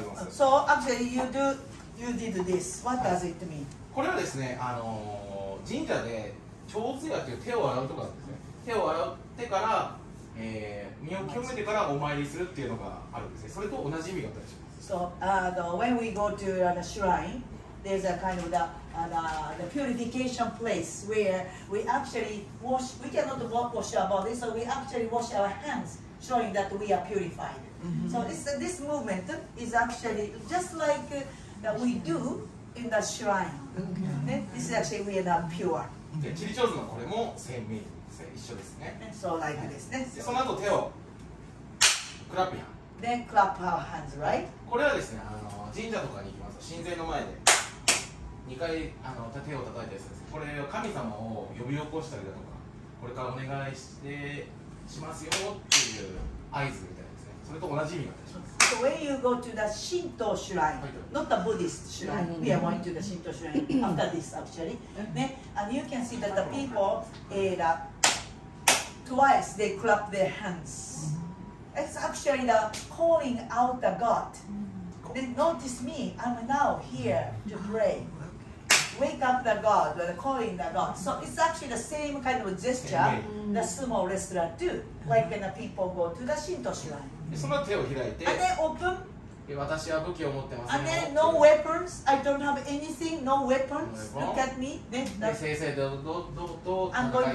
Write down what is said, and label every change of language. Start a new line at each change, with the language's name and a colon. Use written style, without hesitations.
English: So actually you do, you did this. What does it mean?
Japanese: これはですね、神社で手水舎という手を洗うとかですね。手を洗ってから、身を清めてからお参りするっていうのがあるんですね。それと同じ意味があったりします。
English: So, when we go to the shrine, there's a kind of the purification place where we actually wash. We cannot wash our body, so we actually wash our hands, showing that we are purified. Mm-hmm. So this movement is actually just like that we do in the shrine. Mm-hmm. This is actually we are pure.
Japanese: で、チリチョーズのこれも
English: same meaning
Japanese: ですね。一緒ですね。
English: So like ですね。
Japanese: で、その後手をクラップ。
English: Then clap our hands, right?
Japanese: これはですね、神社とかに行きますと、神前の前で。2回手を叩いたりするんです。これは神様を呼び起こしたりだとか、これからお願いしてしますよっていう合図みたいですね。それと同じ意味があったりします。
English: So when you go to the Shinto shrine, not the Buddhist shrine, we are going to the Shinto shrine after this actually. And you can see that the people twice they clap their hands. It's actually the calling out the God. They notice me. I'm now here to pray. Wake up the God, the calling the God. So it's actually the same kind of gesture the sumo wrestler do, like when the people go to the Shinto shrine.
Japanese: その手を開いて、
English: and then open.
Japanese: 私は武器を持ってますよ。
English: And then no weapons. I don't have anything. No weapons. Look at me.
Japanese: で、先生どうどうどうと戦